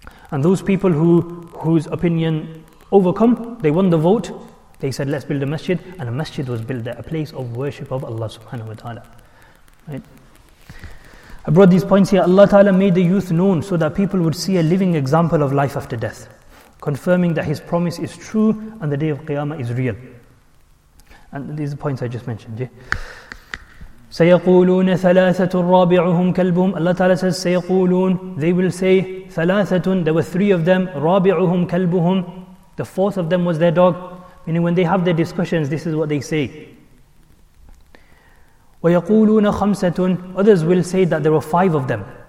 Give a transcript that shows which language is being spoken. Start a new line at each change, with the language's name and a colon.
English: And those people whose opinion overcome, they won the vote, they said, let's build a masjid, and a masjid was built there, a place of worship of Allah subhanahu wa ta'ala. Right? I brought these points here. Allah Ta'ala made the youth known so that people would see a living example of life after death, confirming that His promise is true and the day of Qiyamah is real. And these are the points I just mentioned.
Arabic: سيقولون ثلاثة رابعهم كلبهم.
English: Allah Ta'ala says, سيقولون, they will say, ثلاثة, there were three of them,
Arabic: رابعهم كلبهم,
English: the fourth of them was their dog. Meaning when they have their discussions, this is what they say.
Arabic: ويقولون خمسة,
English: others will say that there were five of them.